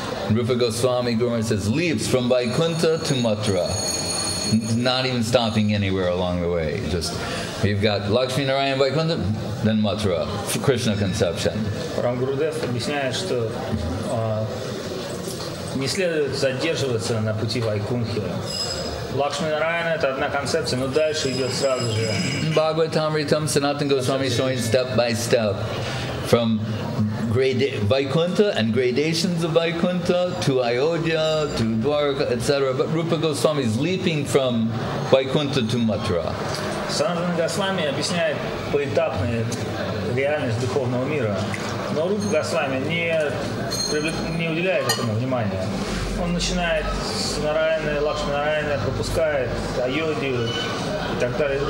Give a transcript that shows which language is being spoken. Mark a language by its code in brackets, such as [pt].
[en] Rupa Goswami Guru says, leaps from Vaikuntha to Mathura, not even stopping anywhere along the way. Just, you've got Lakshmi Narayan Vaikuntha, then Mathura, Krishna conception. [ru] Param Gurudev объясняет, что не следует задерживаться на пути Вайкунхи. Лакшми Нарайана — это одна концепция, но дальше идет сразу же. [en] Бхагаватамритам Санатан Госвами showing step by step from Vaikuntha and gradations of Vaikuntha to Ayodhya, to Dwarka, etc. But Rupa Goswami is leaping from Vaikuntha to Mathura. [ru] Санатан Госвами объясняет поэтапную реальность духовного мира. Но Рупа Госвами не уделяет этому внимания. Он начинает с Нарайаны, Лакшми Нарайаны, пропускает Айодию и так далее.